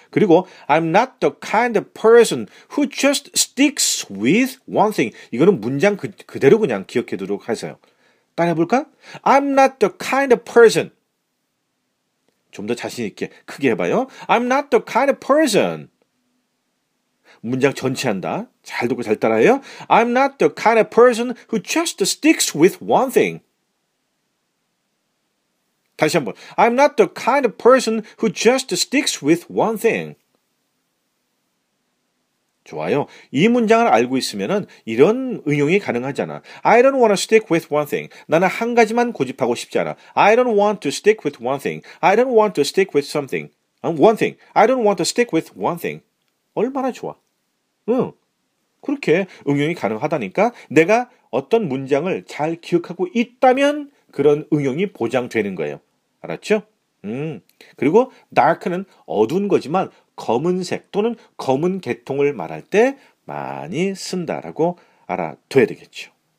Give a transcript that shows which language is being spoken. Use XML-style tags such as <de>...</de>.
<en>그리고 I'm not the kind of person who just sticks with one thing.</en> <ko>이거는 문장 그대로 그냥 기억해 두도록 하세요.</ko> <en>따라해볼까? I'm not the kind of person.</en> <ko>좀 더 자신 있게 크게 해봐요.</ko> <en>I'm not the kind of person.</en> <ko>문장 전체한다. 잘 듣고 잘 따라해요.</ko> <en>I'm not the kind of person who just sticks with one thing.</en> <ko>다시 한번.</ko> <en>I'm not the kind of person who just sticks with one thing.</en> <ko>좋아요. 이 문장을 알고 있으면은 이런 응용이 가능하잖아.</ko> <en>I don't want to stick with one thing.</en> <ko>나는 한 가지만 고집하고 싶지 않아.</ko> <en>I don't want to stick with one thing. I don't want to stick with something. One thing. I don't want to stick with one thing.</en> <ko>얼마나 좋아. 그렇게 응용이 가능하다니까 내가 어떤 문장을 잘 기억하고 있다면 그런 응용이 보장되는 거예요. 알았죠? 그리고 dark는 어두운 거지만 검은색 또는 검은 계통을 말할 때 많이 쓴다라고 알아둬야 되겠죠.</ko>